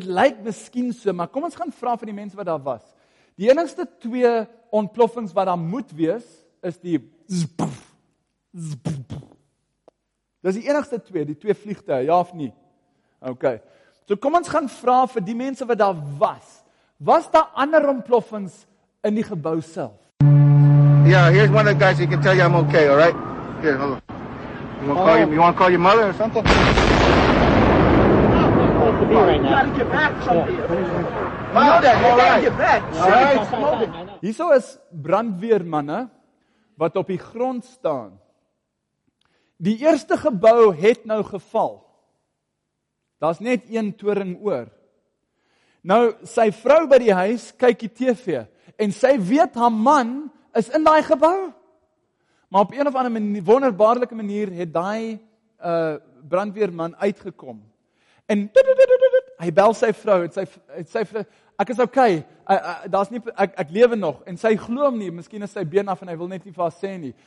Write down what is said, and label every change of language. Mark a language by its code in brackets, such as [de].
[af] Dit lyk miskien so, maar kom ons gaan vra vir die mense wat daar was. Die enigste twee ontploffings wat daar moet wees, is die zpf, zpf. Dit is die enigste twee, die twee vliegtuie, ja of nie? Ok, so kom ons gaan vra vir die mense wat daar was. Was daar ander ontploffings in die gebou self? [en] Yeah, here's one of the guys who can tell you I'm okay, all right? Here, hold on. You want to call your mother or something? [af] Hierso is brandweermanne wat op die grond staan. Die eerste gebou het nou geval. Daar's net een toring oor. Nou, sy vrou by die huis kyk die TV en sy weet haar man is in daai gebou. Maar op een of ander wonderbaarlike manier het daai brandweerman uitgekom. En hy bel sy vrou en sy vrou, ek is okay, daar's nie, ek lewe nog, en sy glo hom nie, miskien is sy been af en hy wil net nie vir haar sê nie.